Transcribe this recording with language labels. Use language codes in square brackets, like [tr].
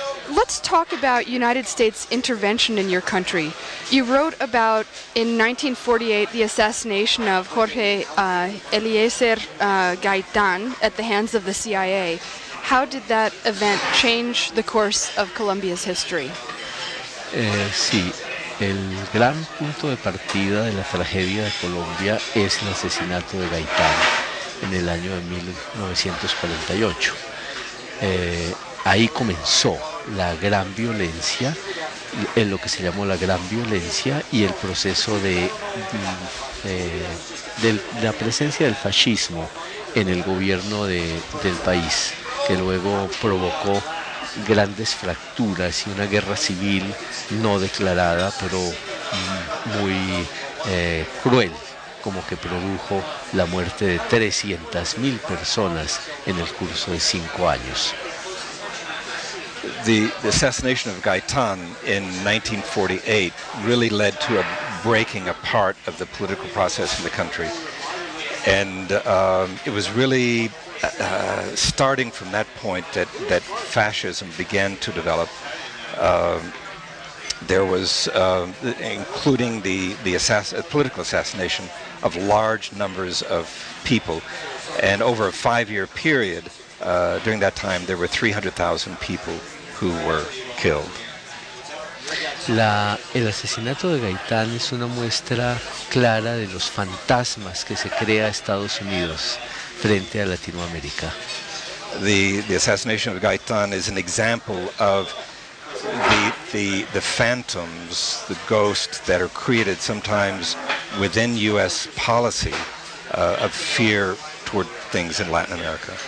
[en] Let's talk about United States intervention in your country. You wrote about, in 1948, the assassination of Jorge Eliezer Gaitan at the hands of the CIA. How did that event change the course of Colombia's history? [es] Sí. El gran punto de partida de la tragedia de Colombia es el asesinato de Gaitán en el año de 1948. Ahí comenzó la gran violencia, en lo que se llamó la gran violencia, y el proceso de la presencia del fascismo en el gobierno del país, que luego provocó grandes fracturas y una guerra civil no declarada, pero muy cruel, como que produjo la muerte de 300,000 personas en el curso de 5 años. [en] The assassination of Gaitán in 1948 really led to a breaking apart of the political process in the country. And it was really starting from that point that fascism began to develop. There was, including the political assassination of large numbers of people, and over a five-year period, during that time, there were 300,000 people who were killed. [es] El asesinato de Gaitán es una muestra clara de los fantasmas que se crea Estados Unidos frente a Latinoamérica. [en] The assassination of Gaitán is an example of the phantoms, the ghosts that are created sometimes within U.S. policy of fear toward things in Latin America.